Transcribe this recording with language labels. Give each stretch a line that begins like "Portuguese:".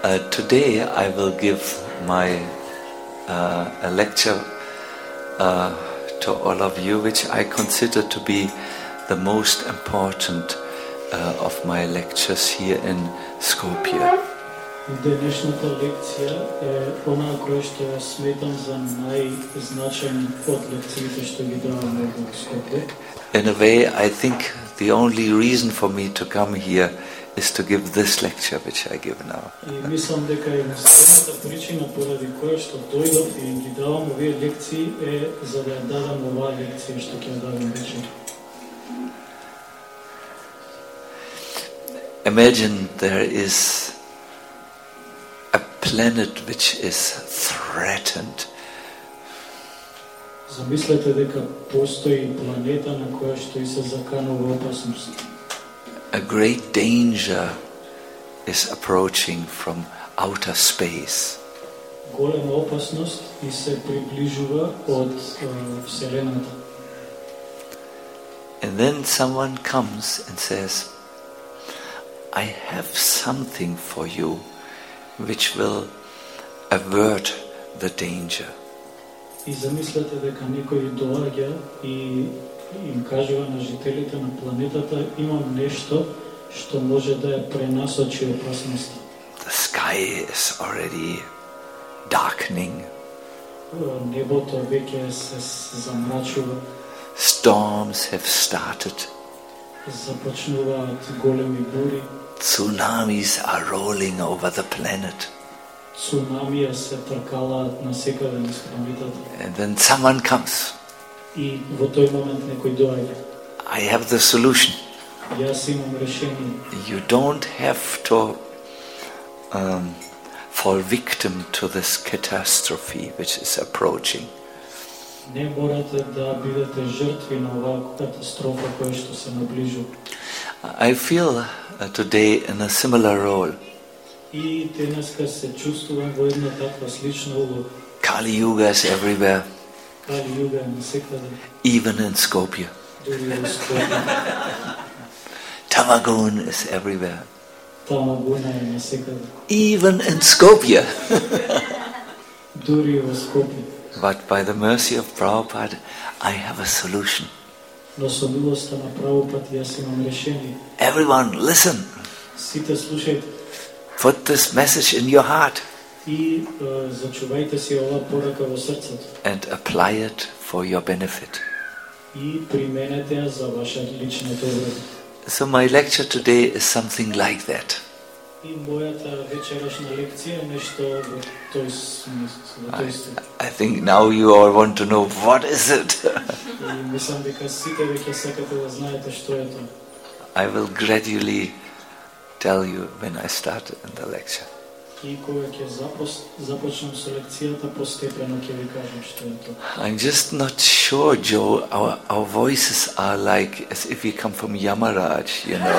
English: Today I will give my a lecture to all of you, which I consider to be the most important of my lectures here in Skopje.
Macedonian: Денешната лекција е она која што ја сметам за најзначајна од лекциите што ги даваме во Скопје.
English: In a way, I think the only reason for me to come here is to give this lecture which I give now.
Macedonian: Мислам дека единствената причина поради која што дојдов и ги давам овие лекции е за да ја дадам оваа лекција што ќе ја дадам вечер.
English: Imagine there is a planet which is threatened.
Macedonian: Замислете дека постои планета на која што и се заканува опасност.
English: A great danger is approaching from outer space.
Macedonian: Голема опасност и се приближува од вселената.
English: And then someone comes and says, I have something for you which will avert the danger.
Macedonian: И замислете дека некој доаѓа и им кажува на жителите на планетата имам нешто што може да ја пренасочи опасноста.
English: The sky is already darkening.
Macedonian: Небото веќе се замрачува.
English: Storms have started.
Macedonian: Започнуваат големи бури.
English: Tsunamis are rolling over the planet.
Macedonian: Цунамија се тркала на секаде низ планетата.
English: And then someone comes.
Macedonian: И во тој момент некој доаѓа.
English: I have the solution.
Macedonian: Јас имам решение.
English: You don't have to fall victim to this catastrophe which is approaching.
Macedonian: Не морате да бидете жртви на оваа катастрофа која што се наближува.
English: I feel today in a similar role.
Macedonian: И денеска се чувствувам во една таква слична улога.
English: Kali Yuga is everywhere.
Macedonian: Kali Yuga е секаде.
English: Even in Skopje.
Macedonian: Дури во Скопје.
English: Tamagun is everywhere.
Macedonian: Тамагуна е секаде.
English: Even in Skopje.
Macedonian: Дури во Скопје.
English: But by the mercy of Prabhupada, I have a solution.
Macedonian: Но со милоста на Прабхупад јас имам решение.
English: Everyone, listen.
Macedonian: Сите слушајте.
English: Put this message in your heart.
Macedonian: И зачувајте си ова порака во срцето.
English: And apply it for your benefit.
Macedonian: И применете ја за ваша лична добро.
English: So my lecture today is something like that.
Macedonian: И мојата вечерашна лекција е нешто во тој смисла.
English: I think now you all want to know what is it.
Macedonian: Мислам дека сите веќе сакате да знаете што е тоа.
English: I will gradually tell you when I start in the lecture.
Macedonian: И кога ќе започнам со лекцијата постепено ќе ви кажам што е тоа.
English: I'm just not sure, Joe. Our voices are like as if we come from Yamaraj, you know.